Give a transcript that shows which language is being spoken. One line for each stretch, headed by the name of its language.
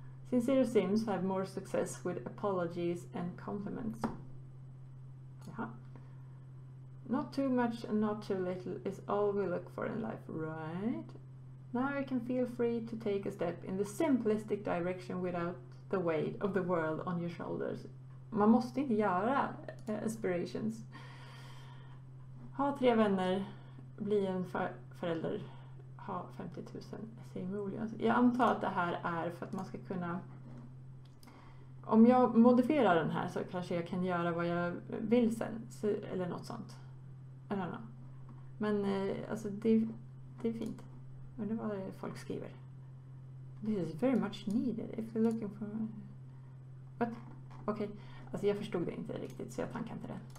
English: Sincere Sims have more success with apologies and compliments. Not too much and not too little is all we look for in life, right? Now you can feel free to take a step in the simplistic direction without the weight of the world on your shoulders.
Swedish: Man måste inte göra aspirations. Ha tre vänner, bli en förälder, ha 50 000 simoleons. Jag antar att det här är för att man ska kunna. Om jag modifierar den här så kanske jag kan göra vad jag vill sen. Eller något sånt. Eller något. Men alltså det är fint. Och det var det folk skriver.
English: This is very much needed if you're looking for... What? Okej. Okay.
Swedish: Alltså jag förstod det inte riktigt så jag tankar inte det.